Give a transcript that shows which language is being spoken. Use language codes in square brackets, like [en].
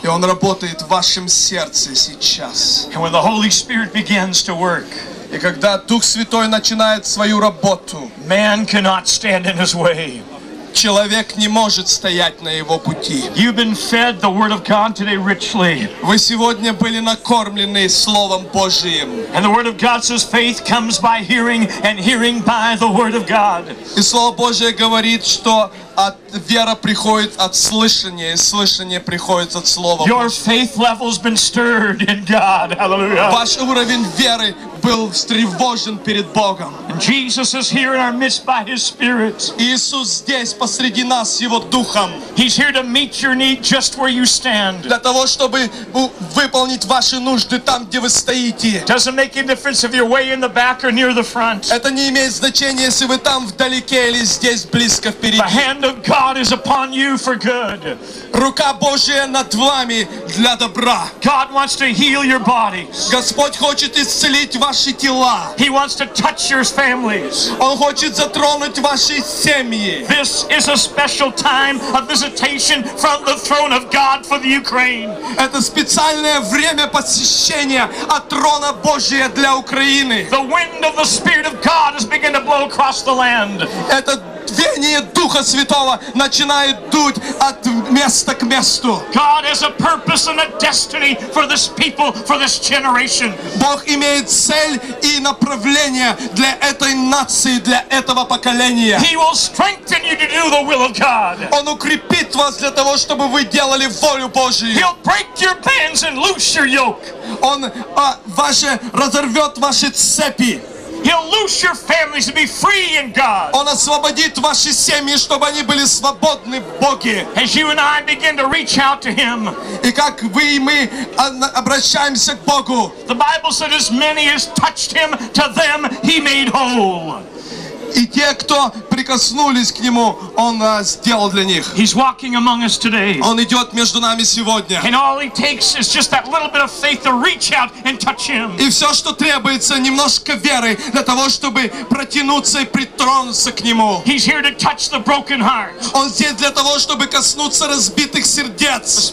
[uk] І він працює в вашому серці зараз. [en] And when the Holy Spirit begins to work, [uk] і коли Дух Святий починає свою роботу, [en] man cannot stand in his way. [uk] Чоловік не може стояти на його пути. [en] You've been fed the word of God today richly. [uk] Ви сьогодні були накормлені словом Божим. [en] And the word of God says faith comes by hearing and hearing by the word of God. [uk] І слово Боже говорить, що віра приходить від слухання, і слухання приходить від слова Божого. [en] Your faith level's been stirred in God. Hallelujah. [uk] Ваш рівень віри був стривожен перед Богом. [en] Jesus is here in our midst by his spirit. [ru] Иисус здесь посреди нас его духом. [en] He's here to meet your need just where you stand. [ru] Для того, чтобы выполнить ваши нужды там, где вы стоите. [en] Doesn't make any difference if you're way in the back or near the front. [ru] Это не имеет значения, если вы там вдалеке или здесь близко впереди. [en] The hand of God is upon you for good. [ru] Рука Божья над вами для добра. [en] God wants to heal your bodies. [ru] Господь хочет исцелить ваши тела. [en] He wants to touch your families. [ru] Он хочет затронуть ваши семьи. [en] This is a special time of visitation from the throne of God for the Ukraine. [ru] Это специальное время посещения от трона Божьего для Украины. [en] The wind of the Spirit of God is beginning to blow across the land. [ru] Это веяние Духа Святого начинает дуть от места к месту. [en] God has a purpose and a destiny for this people, for this generation. [ru] Бог имеет цель и направление для этой нации, для этого поколения. [en] He will strengthen you to do the will of God. [ru] Он укрепит вас для того, чтобы вы делали волю Божию. [en] He'll break your bands and loose your yoke. [ru] Он разорвет ваши цепи. [en] He'll loose your families to be free in God. [ru] Он освободит ваши семьи, чтобы они были свободны в Боге. [en] As you and I begin to reach out to Him. [ru] И как вы и мы обращаемся к Богу. [en] The Bible said, as many as touched Him, to them He made whole. [ru] И те, кто прикоснулись к Нему, Он сделал для них. [en] He's walking among us today. [ru] Он идет между нами сегодня. [en] And all He takes is just that little bit of faith to reach out and touch Him. [ru] И все, что требуется, немножко веры для того, чтобы протянуться и притронуться к Нему. [en] He's here to touch the broken heart. [ru] Он здесь для того, чтобы коснуться разбитых сердец.